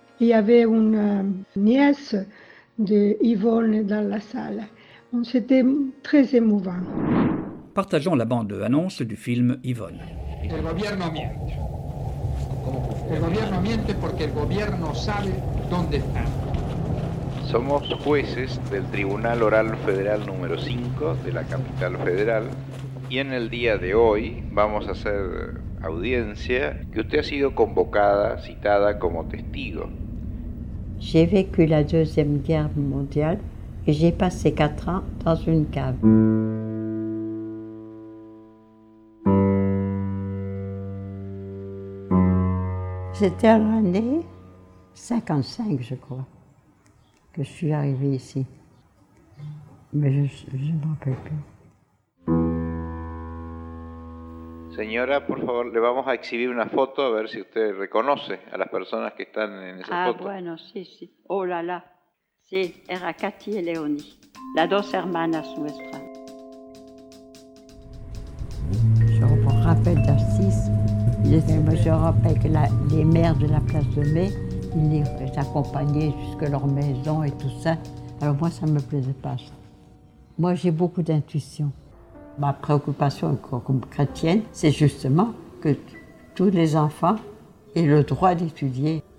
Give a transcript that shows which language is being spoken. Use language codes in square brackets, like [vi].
[fr] Il y avait une nièce de Yvonne dans la salle. Donc c'était très émouvant. Partageons la bande annonce du film Yvonne. Le gouvernement [es] miente. [fr] Le gouvernement [es] miente [fr] parce que le gouvernement sait où est. [es] Somos jueces del Tribunal Oral Federal número 5 de la capital federal y en el día de hoy vamos a hacer audiencia que usted ha sido convocada, citada como testigo. [fr] J'ai vécu la Deuxième Guerre mondiale et j'ai passé 4 ans dans une cave. C'était en l'année 55, je crois, que je suis arrivée ici. Mais je ne m'en rappelle plus. [es] Señora, por favor, le vamos a exhibir una foto a ver si usted reconoce a las personas que están en esa foto. Ah, bueno, sí, sí. [fr] Oh, là, là. [es] Sí, era Cathy y Leonie, las dos hermanas nuestras. [fr] Je me rappelle d'Assis. Je me rappelle que les mères de la place de Mai, ils les accompagnaient jusque leur maison et tout ça. Alors moi, ça ne me plaisait pas, ça. Moi, j'ai beaucoup d'intuition. Ma préoccupation comme chrétienne, c'est justement que tous les enfants aient le droit d'étudier